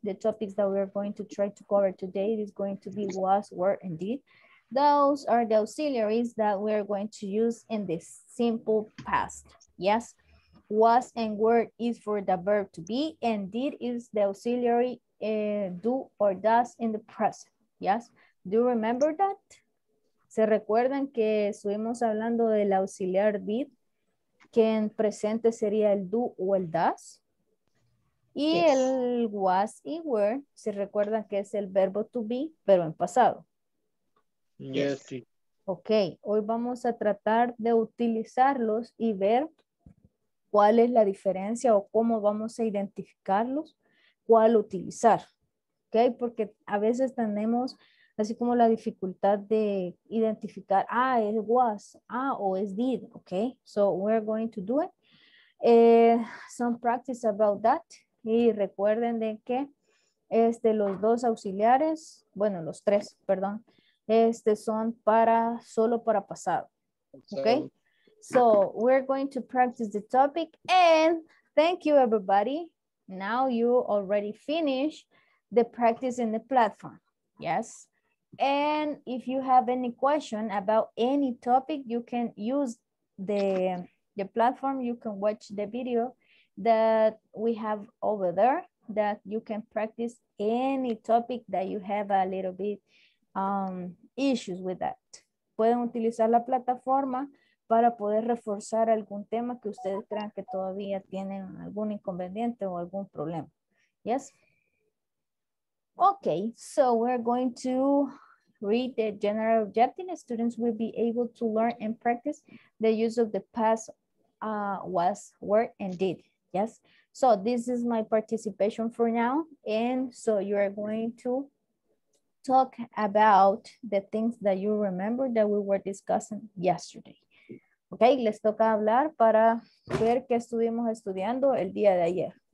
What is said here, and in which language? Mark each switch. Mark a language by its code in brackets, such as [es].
[en] The topics that we're going to try to cover today is going to be was, were, and did. Those are the auxiliaries that we're going to use in this simple past. Yes, was and were is for the verb to be, and did is the auxiliary do or does in the present. Yes, do you remember that? [es] ¿Se recuerdan que estuvimos hablando del auxiliar did? Que en presente sería el do o el does. Y yes, el was y were, se recuerda que es el verbo to be, pero en pasado. [en] Yes, sí. [es] Ok, hoy vamos a tratar de utilizarlos y ver cuál es la diferencia o cómo vamos a identificarlos, cuál utilizar. Ok, porque a veces tenemos así como la dificultad de identificar, ah, [en] it was, [es] ah, o [en] it did, [es] ok. [en] So we're going to do it. Some practice about that. [es] Y recuerden de que los dos auxiliares, bueno, los tres, perdón, son para, solo para pasado. [en] Ok. So we're going to practice the topic and thank you everybody. Now you already finish the practice in the platform. Yes. And if you have any question about any topic, you can use the platform. You can watch the video that we have over there that you can practice any topic that you have a little bit issues with that. [es] Pueden utilizar la plataforma para poder reforzar algún tema que ustedes crean que todavía tienen algún inconveniente o algún problema. [en] Yes? Okay, so we're going to read the general objective. Students will be able to learn and practice the use of the past was, were, and did. Yes? So this is my participation for now. And so you are going to talk about the things that you remember that we were discussing yesterday. [es] Ok, les toca hablar para ver qué estuvimos estudiando el día de ayer.